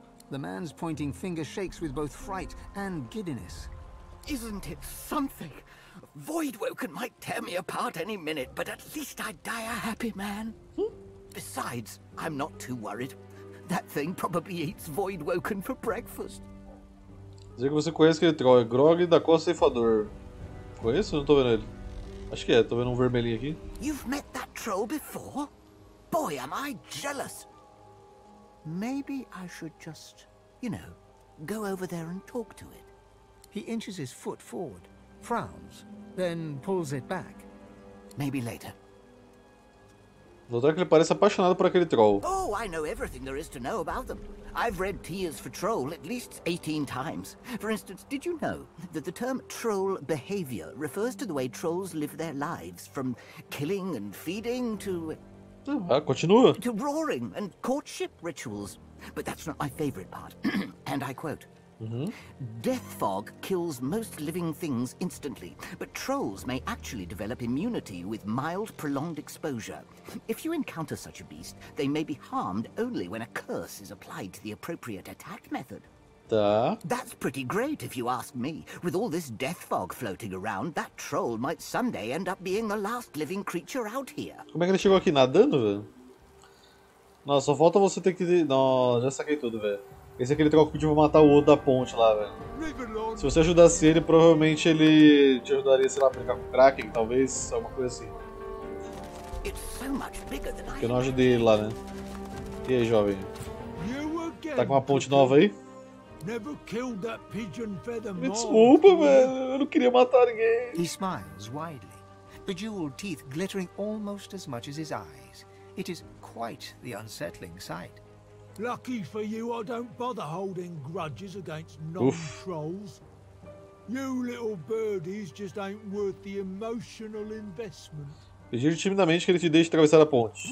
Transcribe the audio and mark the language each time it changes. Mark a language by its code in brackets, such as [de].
[en] The man's pointing finger shakes with both fright and giddiness. Isn't it something? Voidwoken might tear me apart any minute, but at least I'd die a happy man. Besides, I'm not too worried. That thing probably eats Voidwoken for breakfast. [pt] Dizer que você conhece aquele troll, é Grog da Costa Ceifador. Conheço? Não tô vendo ele. Acho que é, tô vendo um vermelhinho aqui. [en] You've met that troll before? Boy, am I jealous! Maybe I should just, you know, go over there and talk to it. He inches his foot forward, frowns, then pulls it back. Maybe later. [pt] Vou dizer que ele parece apaixonado por aquele troll. [en] Oh, I know everything there is to know about them. I've read Tears for Troll at least 18 times. For instance, did you know that the term troll behavior refers to the way trolls live their lives, from killing and feeding to... [pt] Ah, continua. [en] To roaring and courtship rituals. But that's not my favorite part. And I quote, Death fog kills most living things instantly, but trolls may actually develop immunity with mild prolonged exposure. If you encounter such a beast, they may be harmed only when a curse is applied to the appropriate attack method. That's pretty great, if you ask me. With all this death fog floating around, that troll might someday end up being the last living creature out here. [pt] Como é que ele chegou aqui nadando, velho? Nossa, só falta você ter que... Nossa, já saquei tudo, velho. Esse é aquele troll que podia matar o outro da ponte lá, velho. Se você ajudasse ele, provavelmente ele te ajudaria, sei lá, a brincar com o Kraken, talvez, alguma coisa assim. Porque eu não ajudei ele lá, né? E aí, jovem? Tá com uma ponte nova aí? [en] Never killed that pigeon feather mole. [pt] Me desculpa, velho. Eu não queria matar ninguém. [en] He smiles widely, bejeweled teeth glittering almost as much as his eyes. It is quite the unsettling sight. Lucky for you, I don't bother holding grudges against non-trolls. You little birdies just ain't worth the emotional investment. [pt] Pedir timidamente que ele te deixe atravessar a ponte.